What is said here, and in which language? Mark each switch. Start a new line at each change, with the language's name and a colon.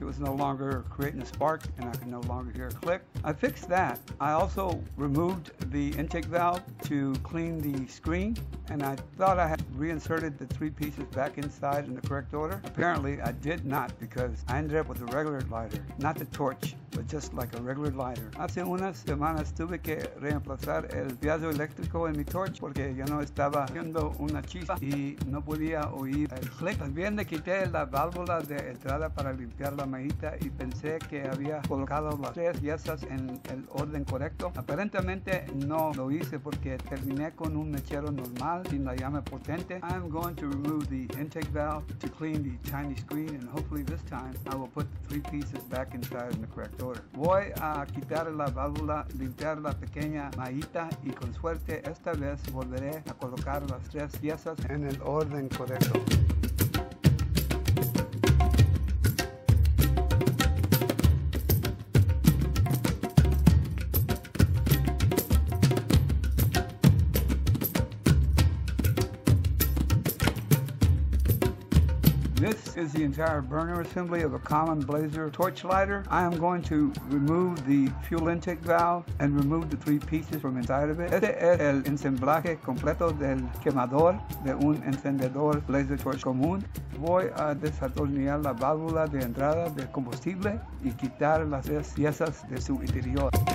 English: It was no longer creating a spark and I could no longer hear a click. I fixed that. I also removed the intake valve to clean the screen, and I thought I had reinserted the three pieces back inside in the correct order. Apparently I did not, because I ended up with a regular lighter, not the torch, but just like a regular lighter.
Spanish: Hace unas semanas tuve que reemplazar el piezo eléctrico en mi torch porque ya no estaba haciendo una chispa y no podía oír el click. También le quité la válvula de entrada para limpiar la mallita y pensé que había colocado las tres piezas en el orden correcto. Aparentemente no lo hice porque terminé con un mechero normal sin la llama potente.
English: I'm going to remove the intake valve to clean the tiny screen, and hopefully this time I will put the three pieces back inside in the correct.
Spanish: Voy a quitar la válvula, limpiar la pequeña mallita y con suerte esta vez volveré a colocar las tres piezas en el orden correcto.
English: This is the entire burner assembly of a common blazer torch lighter. I am going to remove the fuel intake valve and remove the three pieces from inside of it.
Spanish: Este es el ensamblaje completo del quemador de un encendedor blazer torch común. Voy a desatornillar la válvula de entrada de combustible y quitar las tres piezas de su interior.